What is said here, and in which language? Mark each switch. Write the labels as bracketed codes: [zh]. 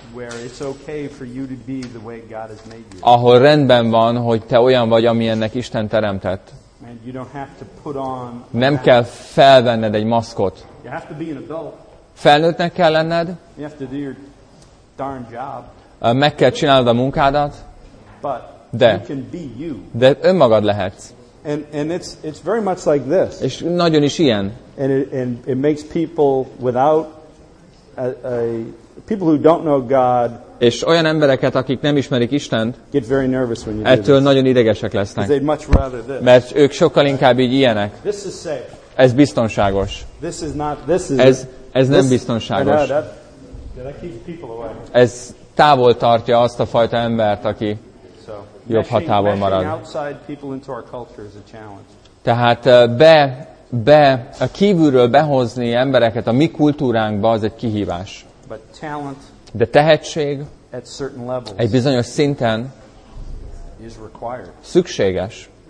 [en] Where it's okay for you to be the way God has made you. [hu] Ahol rendben van, hogy te olyan vagy, amilyennek Isten teremtett. [en] And you don't have to put on [hu] a nem [en] mask. [hu] Kell felvenned egy maszkot. [en] You have to be an adult. [hu] Felnőttnek kell lenned. [en] You have to do your darn job. [hu] Meg kell csinálnod a munkádat. [en] But [hu] de. [en] You can be you. [hu] De önmagad lehetsz. [en] And it's very much like this. [hu] És nagyon is ilyen. [en] And it makes people without a people who don't know God. [hu] És olyan embereket, akik nem ismerik Istent, [en] get very nervous when you [hu] ettől nagyon idegesek lesznek. [en] They'd much rather this. [hu] Mert ők sokkal inkább így ilyenek. [en] This is safe. [hu] Ez biztonságos. [en] This is not, this is [hu] ez, ez nem [en] this, [hu] biztonságos. [en] Yeah, that keeps people away. [hu] Ez távol tartja azt a fajta embert, aki [en] so, [hu] jobb ha távol marad. [en] Outside people into our culture is a challenge. [hu] Tehát a kívülről behozni embereket a mi kultúránkba, az egy kihívás. De tehetség egy bizonyos szinten szükséges.